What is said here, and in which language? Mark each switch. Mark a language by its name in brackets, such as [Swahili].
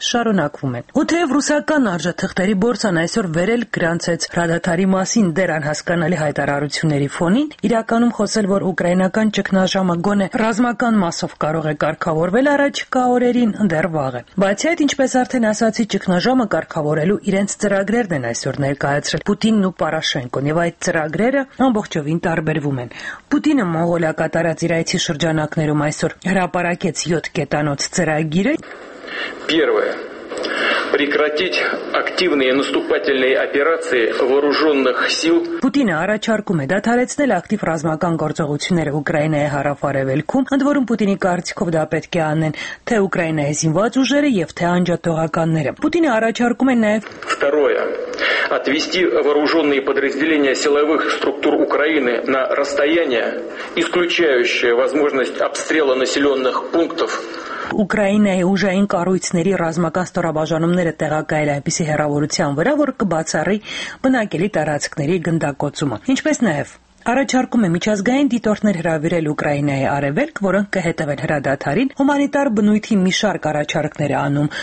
[Armenian] շարունակվում են։ Ութև ռուսական արժաթղթերի բորսան այսօր վերել գրանցեց ռադադարի մասին դեռ անհասկանալի հայտարարությունների ֆոնին, իրականում խոսել, որ ուկրաինական ճգնաժամը գոնե ռազմական մասով կարող է կարգավորվել առաջիկա օրերին, դեռ վաղ է։ Բացի այդ, ինչպես արդեն ասացի, ճգնաժամը կարգավորելու իրենց ծրագրերն են այսօր ներկայացրել Պուտինն ու Պարաշենկոն, և այդ ծրագրերը ամբողջովին տարբերվում են։ Պուտինը մոնղոլիա կատարած իր այցի շրջանակներում այսօր հրապարակեց 7 կետանոց ծրագիրը։ [Russian] Первое. Прекратить активные наступательные операции вооруженных сил. [Armenian] Պուտինը առաջարկում է դադարեցնել ակտիվ ռազմական գործողությունները Ուկրաինայի հարավարևելքում, ընդ որում Պուտինի կարծիքով դա պետք է անեն թե Ուկրաինայի զինված ուժերը և թե անջատողականները։ Պուտինը առաջարկում է նաև [Russian] Второе. Отвести вооруженные подразделения силовых структур Украины на расстояние, исключающее возможность обстрела населенных пунктов. [Armenian] Ուկրաինայի ուժային կառույցների ռազմական ստորաբաժանումները տեղակայել այնպիսի հեռավորության վրա, որ կբացառի բնակելի տարածքների գնդակոծումը։ Ինչպես նաև առաջարկում է միջազգային դիտորդներ հրավիրել Ուկրաինայի արևելք, որոնք կհետևեն հրադադարին, հումանիտար բնույթի մի շարք առաջարկներ է անում